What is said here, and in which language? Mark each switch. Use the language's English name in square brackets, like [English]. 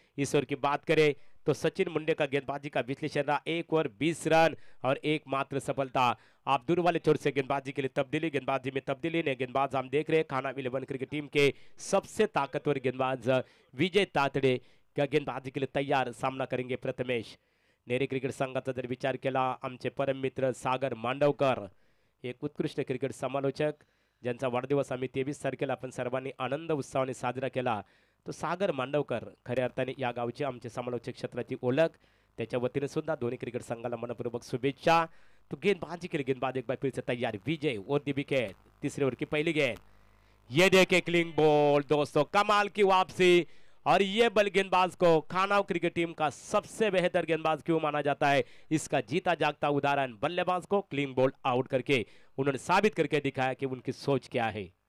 [Hindi] इस ओवर की बात करें तो सचिन मुंडे का गेंदबाजी का विश्लेषण रहा, एक ओवर 20 रन और एक मात्र सफलता। आप दूर वाले छोर से गेंदबाजी के लिए तब्दीली, गेंदबाजी में तब्दीली ने गेंदबाज हम देख रहे हैं खानाव 11 क्रिकेट टीम के सबसे ताकतवर गेंदबाज विजय तातड़े का गेंदबाजी के लिए तैयार, सामना करेंगे प्रथमेश। [Marathi] नेरे क्रिकेट संघाचा जर विचार केला आमचे परम मित्र सागर मांडवकर, एक उत्कृष्ट क्रिकेट समालोचक ज्यांचा वाढदिवस आम्ही 23 तारखेला आपण सर्वांनी आनंद उत्सवाने साजरा केला, तो सागर मांडवकर खऱ्या अर्थाने या गावचे आमचे समालोचक क्षेत्राची ओळख, त्याच्या वतीने सुद्धा दोन्ही क्रिकेट संघाला मनपूर्वक शुभेच्छा। तो गेंदबाजी केली, [Hindi] गेंदबाज एक बार फिरसे तयार, विजय ओर दी विकेट, तिसरे ओवर की पहिली गेंद। ये देखे क्लिंग बॉल दोस्तों, कमाल की वापसी, और ये बल गेंदबाज को खानाव क्रिकेट टीम का सबसे बेहतर गेंदबाज क्यों माना जाता है, इसका जीता जागता उदाहरण बल्लेबाज को क्लीन बॉल आउट करके उन्होंने साबित करके दिखाया कि उनकी सोच क्या है।